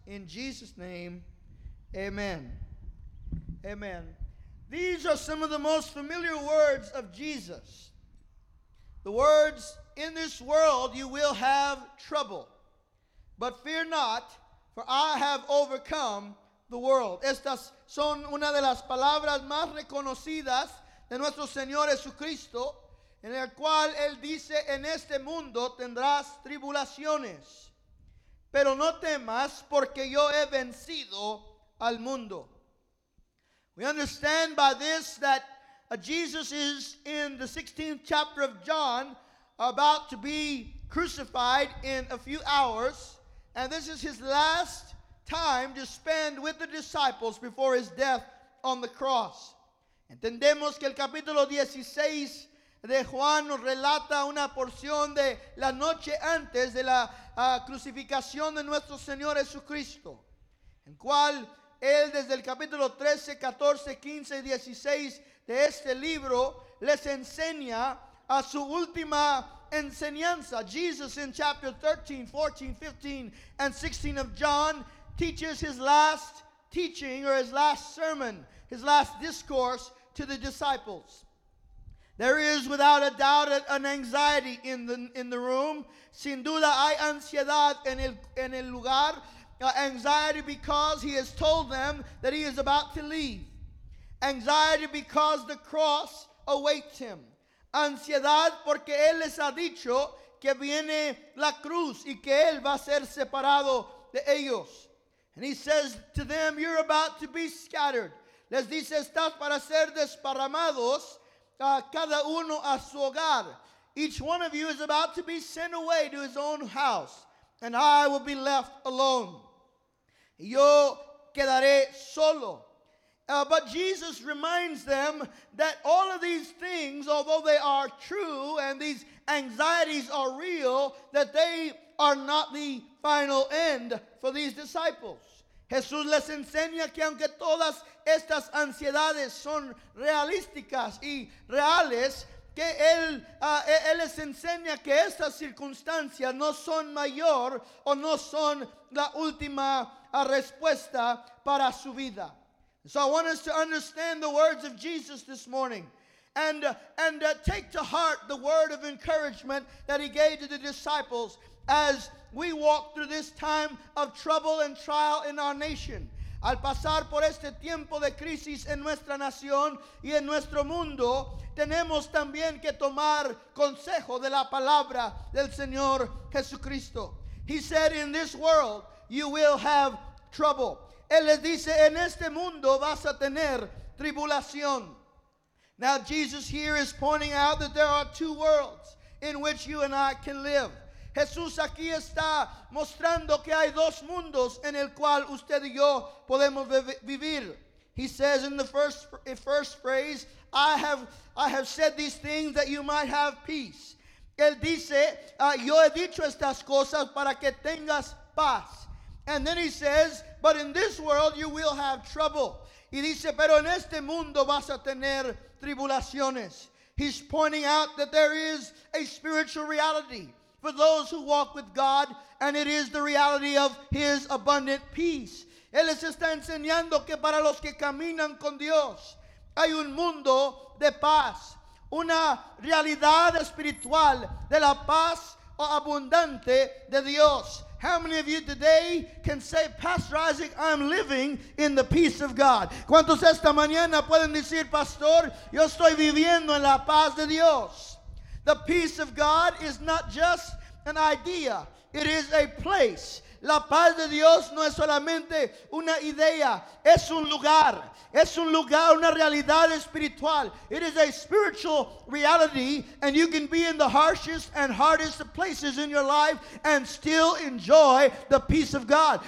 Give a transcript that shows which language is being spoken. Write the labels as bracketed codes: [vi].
[en] In Jesus' name, amen. Amen. These are some of the most familiar words of Jesus. The words, "In this world you will have trouble, but fear not, for I have overcome the world." [es] Estas son una de las palabras más reconocidas de nuestro Señor Jesucristo, en el cual Él dice, "En este mundo tendrás tribulaciones, pero no temas, porque yo he vencido al mundo." [en] We understand by this that Jesus is in the 16th chapter of John, about to be crucified in a few hours. And this is his last time to spend with the disciples before his death on the cross. [es] Entendemos que el capítulo 16 de Juan nos relata una porción de la noche antes de la crucificación de nuestro Señor Jesucristo, en cual él desde el capítulo 13, 14, 15 y 16 de este libro les enseña a su última enseñanza. [en] Jesus in chapter 13, 14, 15, and 16 of John teaches his last teaching, or his last sermon, his last discourse to the disciples. There is without a doubt an anxiety in the room. [es] Sin duda hay ansiedad en el lugar. [en] Anxiety because he has told them that he is about to leave. Anxiety because the cross awaits him. [es] Ansiedad porque él les ha dicho que viene la cruz y que él va a ser separado de ellos. [en] And he says to them, "You're about to be scattered." [es] Les dice, "Estás para ser desparramados, cada uno a su hogar." [en] Each one of you is about to be sent away to his own house, and I will be left alone. [es] Yo quedaré solo. [en] But Jesus reminds them that all of these things, although they are true and these anxieties are real, that they are not the final end for these disciples. [es] Jesús les enseña que aunque todas estas ansiedades son realísticas y reales, que él, él les enseña que estas circunstancias no son mayor o no son la última respuesta para su vida. [en] So I want us to understand the words of Jesus this morning. And take to heart the word of encouragement that he gave to the disciples as we walk through this time of trouble and trial in our nation. [es] Al pasar por este tiempo de crisis en nuestra nación y en nuestro mundo, tenemos también que tomar consejo de la palabra del Señor Jesucristo. [en] He said, in this world, you will have trouble. [es] Él les dice, en este mundo vas a tener tribulación. [en] Now Jesus here is pointing out that there are two worlds in which you and I can live. [es] Jesús aquí está mostrando que hay dos mundos en el cual usted y yo podemos vivir. [en] He says in the first phrase, I have said these things that you might have peace. [es] Él dice, yo he dicho estas cosas para que tengas paz. [en] And then he says, but in this world you will have trouble. [es] Y dice, pero en este mundo vas a tener tribulaciones. [en] He's pointing out that there is a spiritual reality for those who walk with God, and it is the reality of his abundant peace. [es] Él les está enseñando que para los que caminan con Dios hay un mundo de paz, una realidad espiritual de la paz o abundante de Dios. [en] How many of you today can say, Pastor Isaac, I'm living in the peace of God? [es] ¿Cuántos esta mañana pueden decir, Pastor, yo estoy viviendo en la paz de Dios? [en] The peace of God is not just an idea. It is a place. [es] La paz de Dios no es solamente una idea. Es un lugar. Es un lugar, una realidad espiritual. [en] It is a spiritual reality, and you can be in the harshest and hardest of places in your life and still enjoy the peace of God.